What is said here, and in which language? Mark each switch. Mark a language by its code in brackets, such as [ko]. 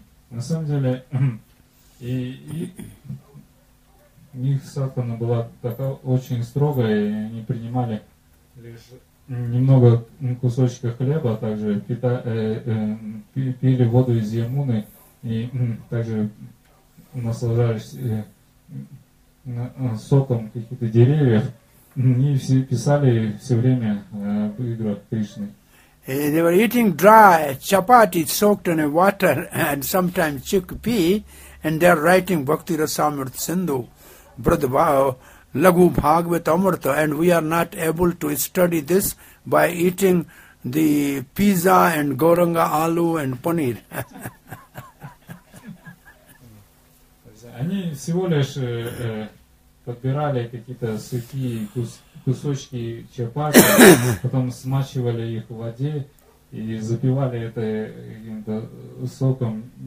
[ru] На самом деле, и у них садхана была такая очень строгая, и они принимали лишь немного кусочка хлеба, а также пили воду из Ямуны и также наслаждались соком каких-то деревьев, и все писали все время об играх Кришны. [en] They were eating dry chapati soaked in water and sometimes chickpea, and they're writing Bhakti Rasamrita Sindhu, Vrindavan, Laghu Bhagavata Amrita, and we are not able to study this by eating the pizza and goranga aloo and paneer. [ru] Они всего лишь подбирали какие-то сухие кусочки чапати, потом смачивали их в воде и запивали это каким-то соком